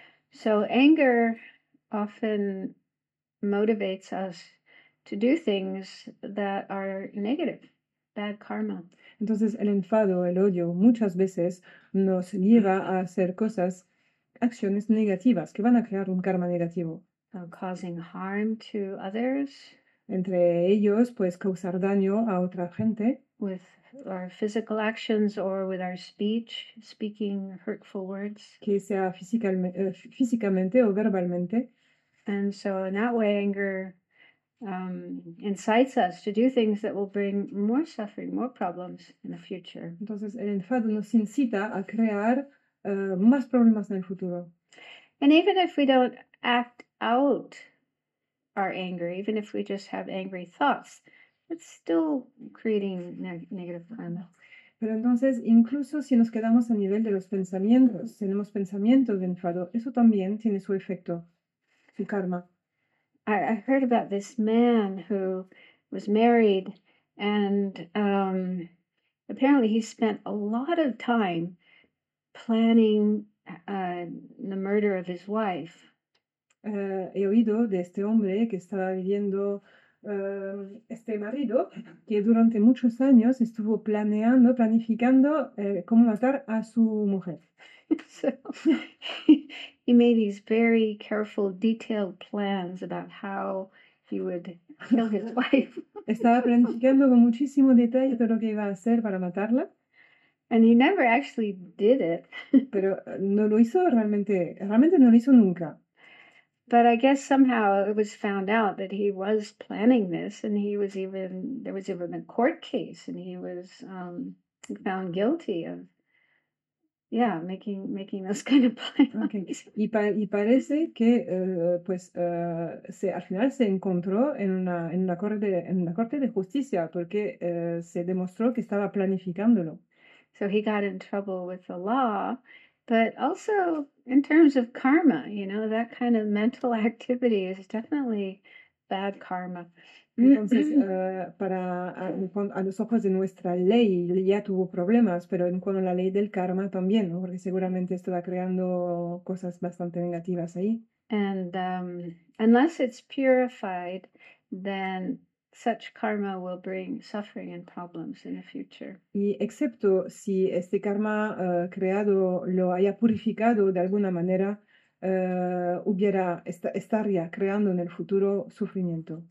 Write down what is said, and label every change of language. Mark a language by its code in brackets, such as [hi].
[en] So anger often motivates us to do things that are negative, bad karma. [es] Entonces el enfado, el odio, muchas veces nos lleva a hacer cosas, acciones negativas que van a crear un karma negativo. [en] Causing harm to others [es] Entre ellos, pues causar daño a otra gente. [en] with our physical actions or with our speech, speaking hurtful words. [es] Que sea físicamente o verbalmente. [en] And so in that way, anger incites us to do things that will bring more suffering, more problems in the future. [es] Entonces, el enfado nos incita a crear más problemas en el futuro. [en] And even if we don't act out our anger, even if we just have angry thoughts, it's still creating ne negative karma. [es] Pero entonces, incluso si nos quedamos a nivel de los pensamientos, tenemos pensamientos de enfado, eso también tiene su efecto, su karma. [en] I heard about this man who was married, and apparently he spent a lot of time planning the murder of his wife. [es] He oído de este hombre que estaba viviendo, este marido, que durante muchos años estuvo planeando, planificando, cómo matar a su mujer. [en] So he made these very careful, detailed plans about how he would kill his wife. [es] Estaba planificando con muchísimo detalle todo lo que iba a hacer para matarla. [en] And he never actually did it. [es] Pero no lo hizo realmente, realmente no lo hizo nunca. [en] But I guess somehow it was found out that he was planning this, and there was even a court case, and he was found guilty of. Yeah, making those kind of Okay. plans. [es] Y parece que pues al final se encontró en una corte de justicia porque se demostró que estaba planificándolo. [en] So he got in trouble with the law, but also in terms of karma, that kind of mental activity is definitely bad karma. [es] Entonces, a los ojos de nuestra ley ya tuvo problemas, pero en cuanto a la ley del karma también, ¿no? Porque seguramente estaba creando cosas bastante negativas ahí. [en] And unless it's purified, then such karma will bring suffering and problems in the future. [es] Y excepto si este karma creado lo haya purificado de alguna manera, estaría creando en el futuro sufrimiento.